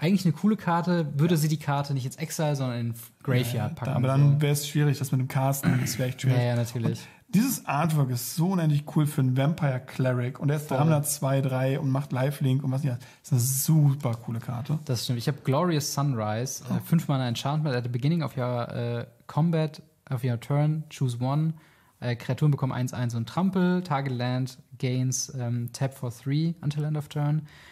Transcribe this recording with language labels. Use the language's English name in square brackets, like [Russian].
[German] Eigentlich eine coole Karte, würde sie die Karte nicht ins Exile, sondern in Graveyard packen. Aber dann wäre es schwierig, das mit dem Casten, das wäre echt schwierig. Ja, natürlich. Und dieses Artwork ist so unendlich cool für einen Vampire Cleric und er ist 302/3 und macht Lifelink und was nicht. Das ist eine super coole Karte. Das stimmt. Ich habe Glorious Sunrise, 5 Mana Enchantment. [English] At the beginning of your combat, of your turn, choose one. [German] Kreaturen bekommen 1/1 und Trampel. [English] Target Land gains tap for 3 until end of turn.